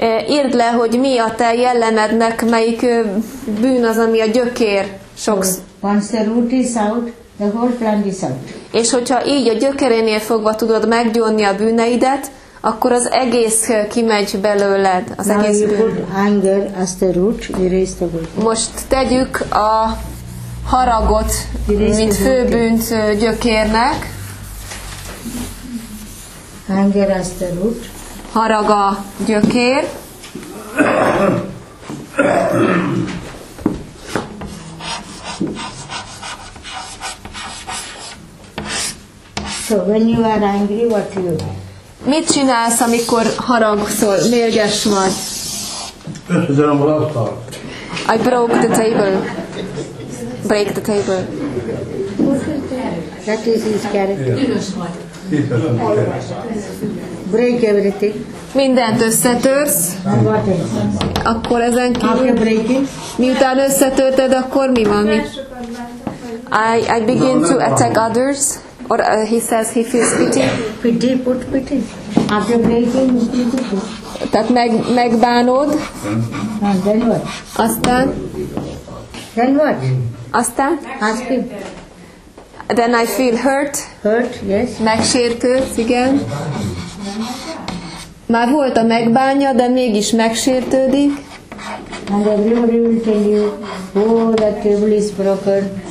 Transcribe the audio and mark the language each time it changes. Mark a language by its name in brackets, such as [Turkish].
[Hungarian] Írd le, hogy mi a te jellemednek, melyik bűn az, ami a gyökér. [English] Once the root is out, the whole plant is out. [Hungarian] És hogyha így a gyökerénél fogva tudod meggyónni a bűneidet, akkor az egész kimegy belőled, az [English] now [Hungarian] egész bűn. [English] Put anger as the root, erase the root. [Hungarian] Most tegyük a haragot, erase mint főbűnt gyökérnek. [English] Anger as the root. [Hungarian] Harag a gyökér. [English] So when you are angry, what do you do? [Hungarian] Mit csinálsz, amikor haragszol, mérges vagy? Összezelem az asztalt. [English] I broke the table. Break the table. That is his character. Break everything. [Hungarian] Mindent összetörsz, akkor ezen kívül, miután összetörted, akkor mi van? [English] I begin to attack others, or he says he feels pity. Pity, put pity. After breaking, pity. [Hungarian] Tehát megbánod. [English] Then what? [Hungarian] Aztán? [English] Then what? [Hungarian] Aztán? [English] Ask him. Then I feel hurt. Hurt, yes. [Hungarian] Megsértődsz, igen. Már volt a megbánja, de mégis megsértődik. [English] And everybody will tell you, oh, that table is broken.